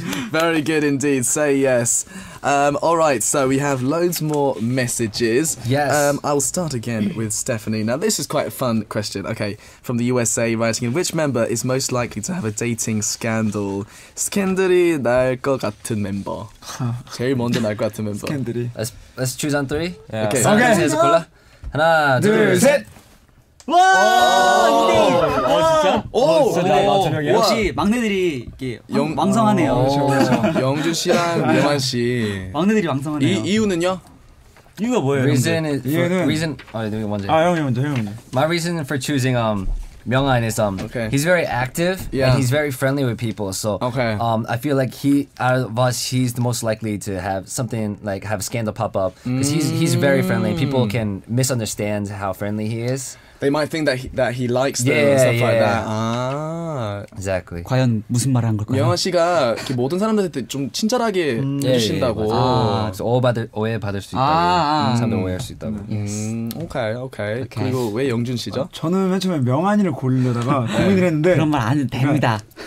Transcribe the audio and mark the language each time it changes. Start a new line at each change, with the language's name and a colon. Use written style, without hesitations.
English: Very good indeed. Say yes. All right, so we have loads more messages. Yes. I'll start again with Stephanie. Now, this is quite a fun question. Okay, from the USA, writing in, which member is most likely to have a dating scandal?
Korean: 스캔들이 날 것 같은 멤버. 제일 먼저 날 것 같은 멤버. 스캔들이.
English: Let's choose on three. Yeah. Okay.
Korean: Okay. 셋, 골라. 하나, 둘, 셋. 와! 진짜? 역시 막내들이 이렇게 왕성하네요. 영주 씨랑 유만 씨. 막내들이 왕성하네요. 이유는요? 이유가 뭐예요? Reason 이유는 reason. 아, 네, 먼저. 아, 형이 먼저.
English: My reason for choosing Myung-hyun is okay. He's very active yeah. and he's very friendly with people. So okay. I feel like he out of us he's the most likely to have something like have a scandal pop up because he's very friendly. People can misunderstand how friendly he is. They might think that he likes them yeah, and stuff yeah. like that. Ah, exactly.
Korean: 과연 무슨 말을 한 걸까요? 영아 씨가 이렇게 모든 사람들한테 좀 친절하게 해주신다고.
English: Yeah, yeah, yeah,
Korean: 아, 그래서 오해받을 수 있다고. 사람들 오해할 수 있다고.
English: Yes.
Korean: 오케이, 오케이.
English: Okay.
Korean: 그리고 왜 영준 씨죠? 아, 저는 맨 처음에 명한이를 고르려다가 고민을 네. 했는데 그런 말 안 됩니다.